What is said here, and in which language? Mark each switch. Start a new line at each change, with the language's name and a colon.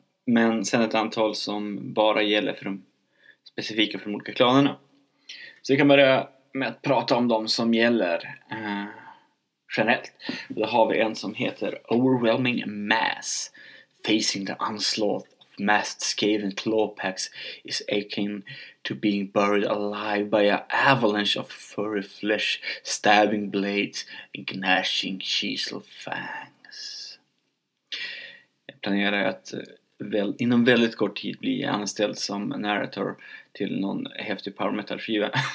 Swedish: Men sen ett antal som bara gäller för de specifika för de olika klanerna. Så vi kan börja med att prata om de som gäller generellt. Då har vi en som heter Overwhelming Mass.
English: Facing the onslaught of massed Skaven claw packs is akin to being buried alive by an avalanche of furry flesh, stabbing blades and gnashing chisel fangs.
Swedish: Jag planerar att inom väldigt kort tid bli anställd som narrator till någon häftig power metal skiva.